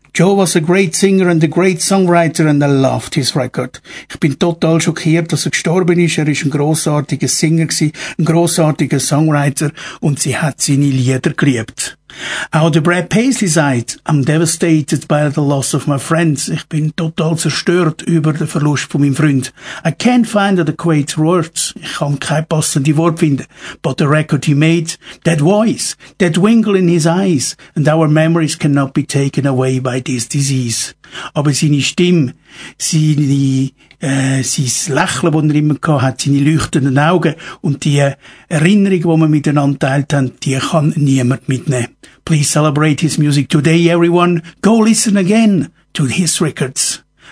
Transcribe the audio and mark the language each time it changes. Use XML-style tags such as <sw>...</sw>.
<en>Joe was a great singer and a great songwriter and I loved his record.</en> <de>Ich bin total schockiert, dass er gestorben ist. Er war ein grossartiger Singer, ein grossartiger Songwriter und sie hat seine Lieder geliebt. Auch der Brad Paisley sagt,</de> <en>I'm devastated by the loss of my friends.</en> <de>Ich bin total zerstört über den Verlust von meinem Freund.</de> <en>I can't find adequate words.</en> <de>Ich kann keine passende Worte finden.</de> <en>But the record he made, that voice, that twinkle in his eyes, and our memories cannot be taken away by this disease.</en> <de>Aber seine Stimme, sein Lächeln, das er immer gehabt hat, seine leuchtenden Augen und die Erinnerung, die wir miteinander teilt haben, die kann niemand mitnehmen.</de> <en>Please celebrate his music today, everyone. Go listen again to his records.</en>